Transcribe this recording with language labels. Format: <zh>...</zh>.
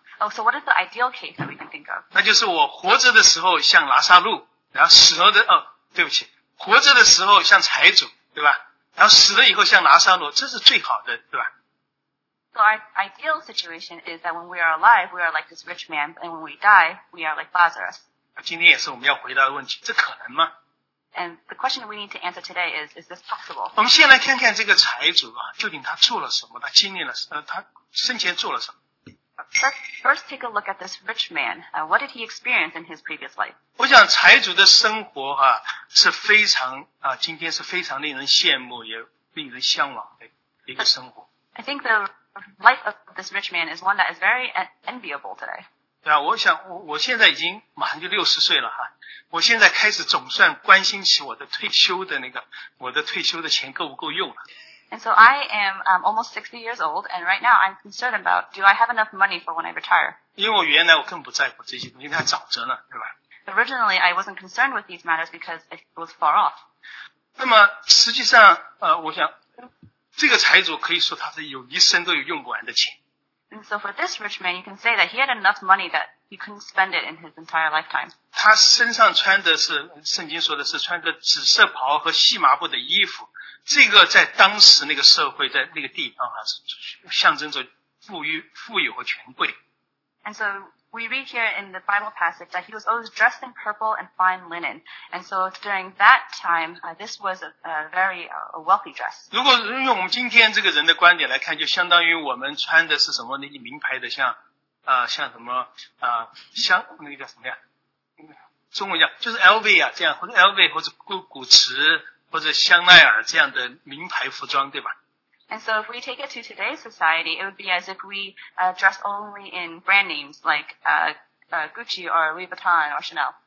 <en>So what is the ideal case that we can think of?</en> <zh>那就是我活着的时候像拿撒路，然后死了的哦，对不起，活着的时候像财主，对吧？然后死了以后像拿撒路，这是最好的，对吧？</zh> <en>So our ideal situation is that when we are alive, we are like this rich man, and when we die, we are like Lazarus.</en> <zh>今天也是我们要回答的问题，这可能吗？</zh> <en>And the question we need to answer today is this possible?</en> <zh>我们先来看看这个财主啊，究竟他做了什么？他经历了他生前做了什么？</zh> <en>First take a look at this rich man. What did he experience in his previous life?</en> <zh>我想财主的生活啊是非常啊，今天是非常令人羡慕也令人向往的一个生活。</zh> <en>I think the life of this rich man is one that is very enviable today.</en> <zh>对啊，我想我现在已经马上就60岁了哈，我现在开始总算关心起我的退休的钱够不够用了。</zh> <en>And so I am almost 60 years old, and right now I'm concerned about do I have enough money for when I retire?</en> <zh>因为我原来我更不在乎这些东西，太早着呢，对吧？</zh> <en>Originally I wasn't concerned with these matters because it was far off.</en> <zh>那么实际上我想这个财主可以说他是有一生都有用不完的钱。</zh> <en>And so for this rich man, you can say that he had enough money that he couldn't spend it in his entire lifetime.</en> <zh>他身上穿的是圣经说的是穿着紫色袍和细麻布的衣服，这个在当时那个社会在那个地方啊，象征着富裕和权贵。</zh> <en>And so we read here in the Bible passage that he was always dressed in purple and fine linen. And so during that time, this was a very wealthy dress.</en> <zh>如果用我们今天这个人的观点来看，就相当于我们穿的是什么那些名牌的像什么那个叫什么呀？中文叫就是 LV 啊，这样或者 LV 或者古驰或者香奈儿这样的名牌服装，对吧？</zh> <en>And so if we take it to today's society, it would be as if we dress only in brand names like Gucci or Louis Vuitton or Chanel.</en>